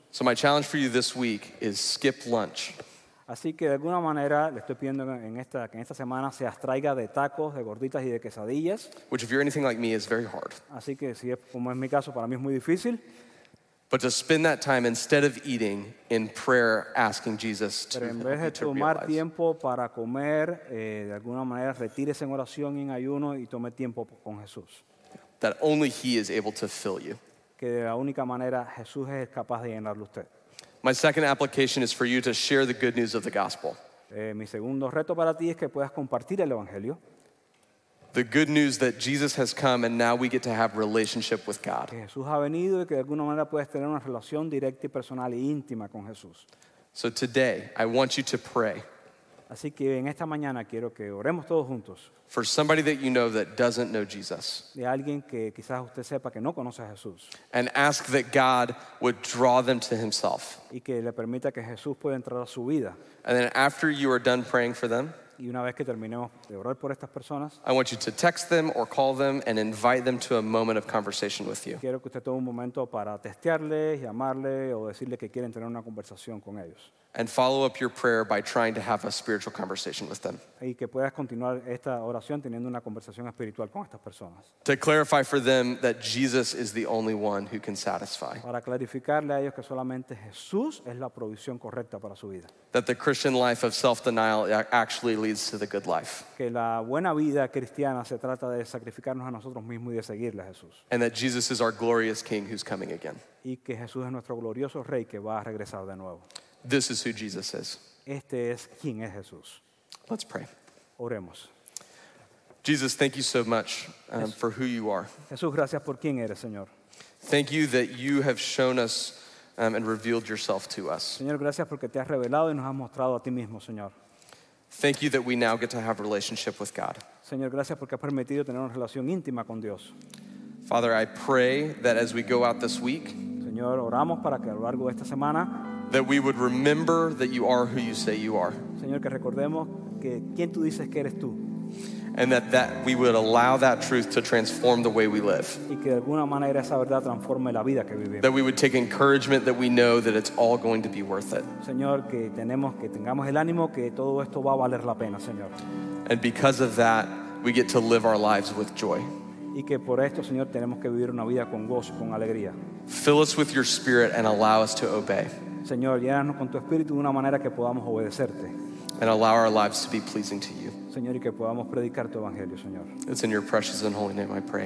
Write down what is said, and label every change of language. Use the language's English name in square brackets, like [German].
[English] So my challenge for you this week is skip lunch. [Spanish] Así que de alguna manera le estoy pidiendo en esta semana se abstraiga de tacos, de gorditas y de quesadillas. [English] Which if you're anything like me is very hard. [Spanish] Así que si es como es mi caso, para mí es muy difícil. [English] But to spend that time instead of eating in prayer, asking Jesus to help me to realize. [Spanish] Pero en vez de tomar tiempo para comer, de alguna manera retírese en oración y en ayuno y tome tiempo con Jesús. [English] That only he is able to fill you. [Spanish] Que de la única manera Jesús es capaz de llenarlo usted. [English] My second application is for you to share the good news of the gospel. [Spanish] Mi segundo reto para ti es que puedas compartir el evangelio. [English] The good news that Jesus has come and now we get to have relationship with God. [Spanish] Jesús ha venido y que de alguna manera puedes tener una relación directa y personal e íntima con Jesús. [English] So today, I want you to pray. [Spanish] Así que en esta mañana quiero que oremos todos juntos. [English] For somebody that you know that doesn't know Jesus. [Spanish] De alguien que quizás usted sepa que no conoce a Jesús. [English] And ask that God would draw them to himself. [Spanish] Y que le permita que Jesús pueda entrar a su vida. [English] And then after you are done praying for them, [Spanish] y una vez que terminemos de orar por estas personas, [English] I want you to text them or call them and invite them to a moment of conversation with you. [Spanish] Quiero que usted tome un momento para textearle, llamarle o decirle que quieren tener una conversación con ellos. [English] And follow up your prayer by trying to have a spiritual conversation with them. [Spanish] Y que puedas continuar esta oración teniendo una conversación espiritual con estas personas. [English] To clarify for them that Jesus is the only one who can satisfy. [Spanish] Para clarificarle a ellos que solamente Jesús es la provisión correcta para su vida. [English] That the Christian life of self-denial actually leads to the good life. [Spanish] Que la buena vida cristiana se trata de sacrificarnos a nosotros mismos y de seguirle a Jesús. [English] And that Jesus is our glorious King who's coming again. [Spanish] Y que Jesús es nuestro glorioso Rey que va a regresar de nuevo. [English] This is who Jesus is. [Spanish] Este es quien es Jesús. [English] Let's pray. [Spanish] Oremos. [English] Jesus, thank you so much for who you are. [Spanish] Jesús, gracias por quién eres, Señor. [English] Thank you that you have shown us and revealed yourself to us. [Spanish] Señor, gracias porque te has revelado y nos has mostrado a ti mismo, Señor. [English] Thank you that we now get to have a relationship with God. [Spanish] Señor, gracias porque has permitido tener una relación íntima con Dios. [English] Father, I pray that as we go out this week, [Spanish] Señor, oramos para que a lo largo de esta semana, [English] that we would remember that you are who you say you are. [Spanish] Señor, que recordemos que quién tú dices que eres tú. [English] And that we would allow that truth to transform the way we live. [Spanish] Y que de alguna manera esa verdad transforme la vida que vivimos. [English] That we would take encouragement that we know that it's all going to be worth it. [Spanish] Señor, que tenemos que tengamos el ánimo que todo esto va a valer la pena, Señor. [English] And because of that, we get to live our lives with joy. [Spanish] Y que por esto, Señor, tenemos que vivir una vida con gozo, con alegría. [English] Fill us with your spirit and allow us to obey. [Spanish] Señor, llénanos con tu espíritu de una manera que podamos obedecerte. [English] And allow our lives to be pleasing to you. [Spanish] Señor, y que podamos predicar tu evangelio, Señor. [English] It's in your precious and holy name I pray.